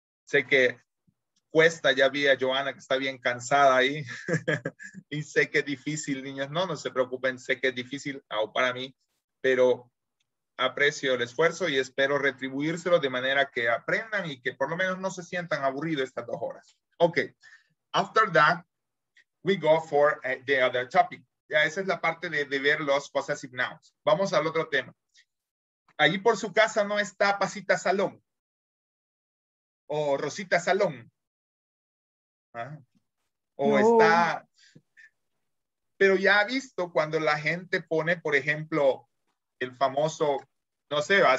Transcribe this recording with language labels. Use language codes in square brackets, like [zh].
[es] Sé que cuesta, ya vi a Joana que está bien cansada ahí, y sé que es difícil, niños, no se preocupen, sé que es difícil, aún para mí, pero aprecio el esfuerzo y espero retribuírselo de manera que aprendan y que por lo menos no se sientan aburridos estas 2 horas. [en] Ok, after that, we go for the other topic. [es] Ya, esa es la parte de ver los possessive nouns. Vamos al otro tema. Allí por su casa no está Pasita Salón o Rosita Salón. ¿Ah? Está, pero ya ha visto cuando la gente pone, por ejemplo, el famoso, no sé, ¿va?